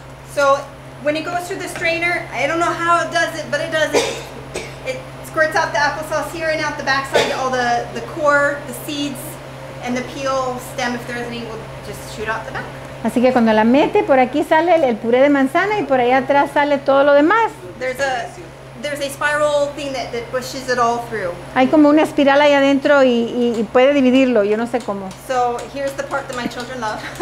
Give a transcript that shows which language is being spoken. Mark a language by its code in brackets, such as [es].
[en] So, when it goes through the strainer, I don't know how it does it, but it does it. It squirts out the applesauce here and out the backside, all the core, the seeds, and the peel stem, if there is any, will just shoot out the back. [es] Así que cuando la mete, por aquí sale el puré de manzana y por ahí atrás sale todo lo demás. [en] There's a spiral thing that pushes it all through. [es] Hay como una espiral ahí adentro y puede dividirlo, yo no sé cómo. [en] So, here's the part that my children love.